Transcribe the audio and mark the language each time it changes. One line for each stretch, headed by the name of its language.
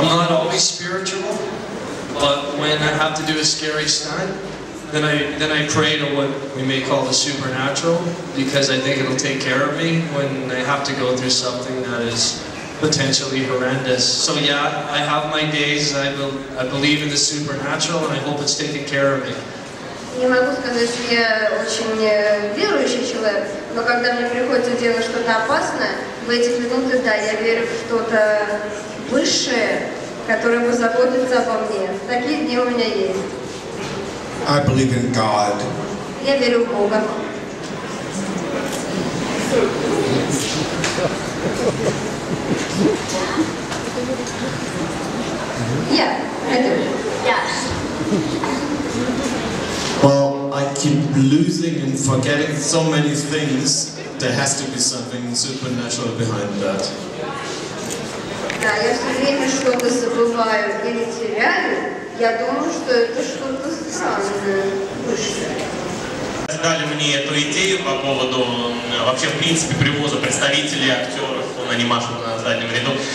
English: I'm not always spiritual, but when I have to do a scary stunt, then I pray to what we may call the supernatural, because I think it'll take care of me when I have to go through something that is potentially horrendous. So yeah, I have my days. I believe in the supernatural, and I hope it's taking care of me.
Russian: Не могу сказать, что я очень верующий человек, но когда мне приходится делать что-то опасное, в эти минуты, да, я верю в что-то высшее, которое позаботится обо мне. Такие дни у меня есть.
English: I believe in God.
Russian: Я верю в Бога.
English: Yeah, I do. Well, I keep losing and forgetting so many things. There has to be something supernatural behind that.
Russian: Да, я все время что-то забываю или теряю. Я думаю, что это что-то странное. Дали мне эту идею по поводу вообще в принципе привоза представителей актеров, он анимашек на заднем ряду.